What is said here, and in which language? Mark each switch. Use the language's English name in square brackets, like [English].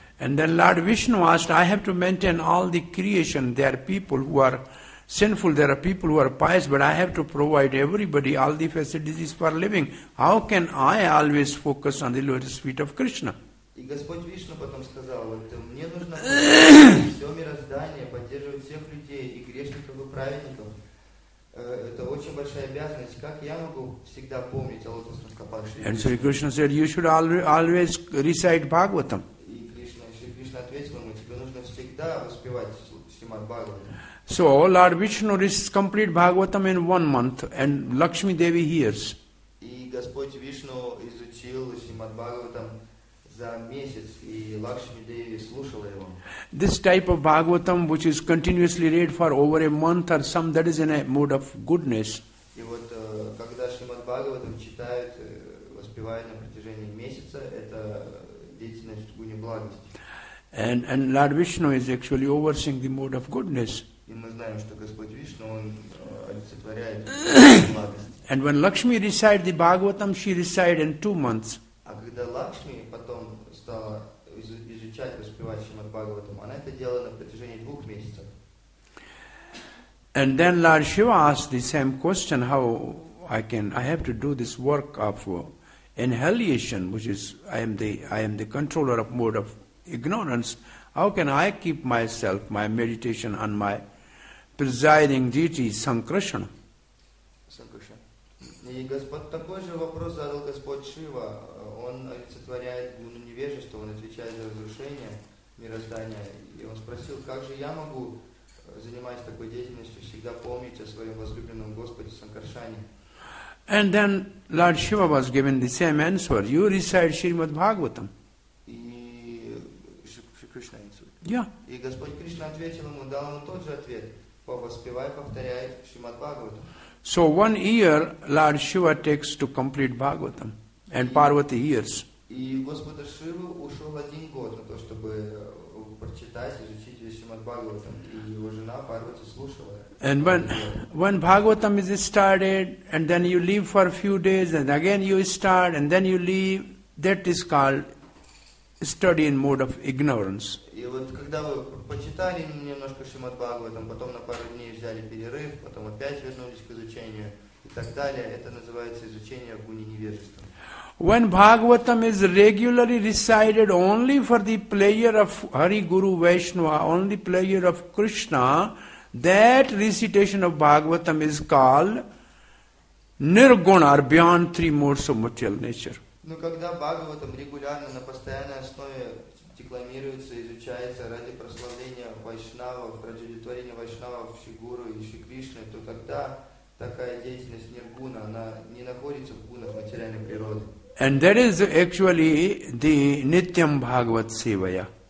[English] And then Lord Vishnu asked, I have to maintain all the creation, there are people who are sinful. There are people who are pious, but I have to provide everybody all the facilities for living. How can I always focus on the lotus feet of Krishna? [Russian] И Господь Вишну потом сказал, вот мне нужно все мироздание, поддерживать всех людей, и грешников, и праведников. Это очень большая обязанность. Как я могу всегда помнить о лотосных копах Шри Кришны? [English] And so Krishna said, you should always recite Bhagavatam. [Russian] И Кришна, Шри Кришна ответил ему, тебе нужно всегда воспевать Шримад Бхагаватам. [English] So Lord Vishnu recites complete Bhagavatam in 1 month, and Lakshmi Devi hears. [Russian] И Господь Вишну изучил Шримад Бхагаватам за месяц, и Лакшми Деви слушала его. [English] This type of Bhagavatam, which is continuously read for over a month or some, that is in a mood of goodness. [Russian] И вот когда Шримад Бхагаватам читают, воспевают на протяжении месяца, это деятельность в гуне благости. [English] And Lord Vishnu is actually overseeing the mood of goodness. [Russian] И мы знаем, что Господь Вишну, он олицетворяет благость. [English] And when Lakshmi recited the Bhagavatam, she recited in 2 months. [Russian] А когда Лакшми потом стала изучать, воспевать Шримад Бхагаватам, она это делала на протяжении 2 месяцев. [English] And then Lord Shiva asked the same question, how I have to do this work of annihilation, which is I am the controller of mode of ignorance. How can I keep myself, my meditation on my presiding deity Sankrishna? [Russian] И Господь такой же вопрос задал Господь Шива. Он олицетворяет гуну невежества, он отвечает за разрушение мироздания. И он спросил, как же я могу, занимаясь такой деятельностью, всегда помнить о своем возлюбленном Господе Санкаршане. [English] And then Lord Shiva was given the same answer. You recite Shrimad Bhagavatam. [Russian] И Шри Кришна [English] answered. Yeah. [Russian] И Господь Кришна ответил ему, дал ему тот же ответ. Повоспевай, повторяй Шримад Бхагаватам. [English] So 1 year Lord Shiva takes to complete Bhagavatam. And Parvati hears. [Russian] И Господа Шивы ушел 1 год на то, чтобы прочитать, изучить весь Шримад Бхагаватам. И его жена Парвати слушала. [English] And when Bhagavatam is started, and then you leave for a few days, and again you start, and then you leave, that is called study in mode of ignorance. [Russian] И вот когда вы почитали немножко Шримад Бхагаватам, потом на пару дней взяли перерыв, потом опять вернулись к изучению и так далее, это называется изучение гуни невежества. [English] When Bhagavatam is regularly recited only for the pleasure of Hari Guru Vaishnava, only pleasure of Krishna, that recitation of Bhagavatam is called nirguna or beyond 3 modes of material nature. [Russian] Но когда Бхагаватам регулярно на постоянной основе декламируется, изучается ради прославления Вайшнавов, ради удовлетворения Вайшнавов, Шри Гуру и Шри Кришны, то тогда такая деятельность ниргуна, она не находится в гунах материальной природы. [English] And that is actually the Nityam Bhagavat Sevaya.